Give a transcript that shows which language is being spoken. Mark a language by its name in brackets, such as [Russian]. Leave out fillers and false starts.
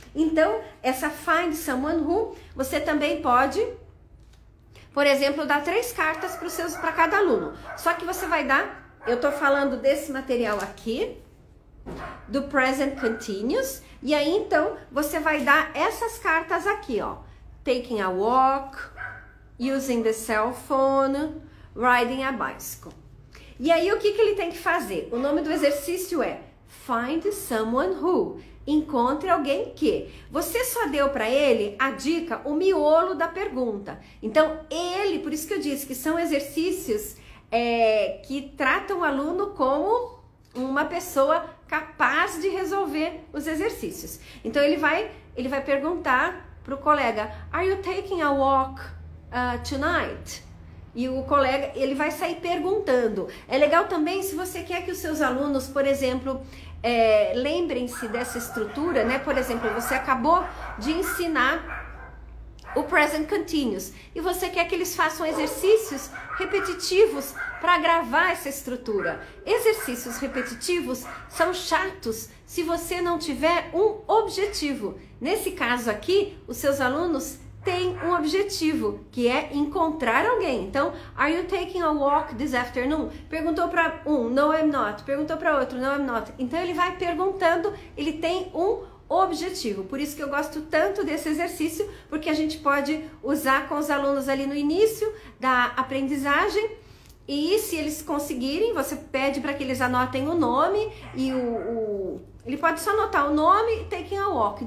[Portuguese] Então, essa find someone who, você também pode, por exemplo, dar 3 cartas para cada aluno. Só que você vai dar, eu estou falando desse material aqui, do Present Continuous, e aí então você vai dar essas cartas aqui, ó. [English] Taking a walk, using the cell phone, riding a bicycle. [Portuguese] E aí o que, que ele tem que fazer? O nome do exercício é Find Someone Who. Encontre alguém que. Você só deu para ele a dica, o miolo da pergunta. Então, ele, por isso que eu disse que são exercícios que tratam o aluno como uma pessoa capaz de resolver os exercícios. Então, ele vai perguntar pro colega, [English] are you taking a walk tonight? [Portuguese] E o colega, ele vai sair perguntando. É legal também se você quer que os seus alunos, por exemplo, lembrem-se dessa estrutura, né? Por exemplo, você acabou de ensinar o Present Continuous e você quer que eles façam exercícios repetitivos para gravar essa estrutura. Exercícios repetitivos são chatos se você não tiver um objetivo. Nesse caso aqui, os seus alunos têm um objetivo, que é encontrar alguém. Então, [English] are you taking a walk this afternoon? [Portuguese] Perguntou para um, [English] no I'm not. [Portuguese] Perguntou para outro, no I'm not. Então, ele vai perguntando, ele tem um objetivo. Por isso que eu gosto tanto desse exercício, porque a gente pode usar com os alunos ali no início da aprendizagem. E se eles conseguirem, você pede para que eles anotem o nome e ele pode só anotar o nome e [English] taking a walk.